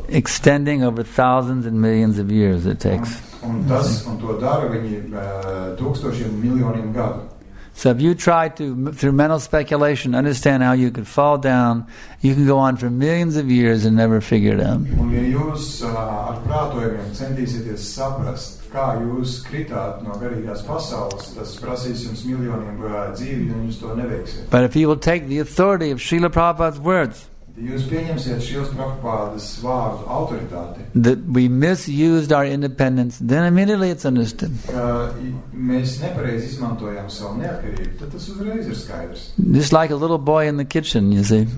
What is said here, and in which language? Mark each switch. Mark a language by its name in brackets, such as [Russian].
[English] Extending over thousands and millions of years it takes. [Latvian] Un to dara viņi tūkstošiem miljoniem gadu. [English] So if you try to, through mental speculation, understand how you could fall down, you can go on for millions of years and never figure it out. [Latvian] Un ja jūs ar prātojumiem centīsieties saprast, kā jūs kritāt no garīgās pasaules, tas prasīs jums miljoniem dzīvi, un jūs to neveiksiet. [English] But if you will take the authority of Srila Prabhupada's words, [Latvian] jūs pieņemsiet Srila Prabhupada's vārdu autoritāti, [English] that we misused our independence, then immediately it's understood. [Latvian] Mēs nepareiz izmantojām savu neatkarību, tad tas uzreiz ir skaidrs. [English] Just like a little boy in the kitchen, you see.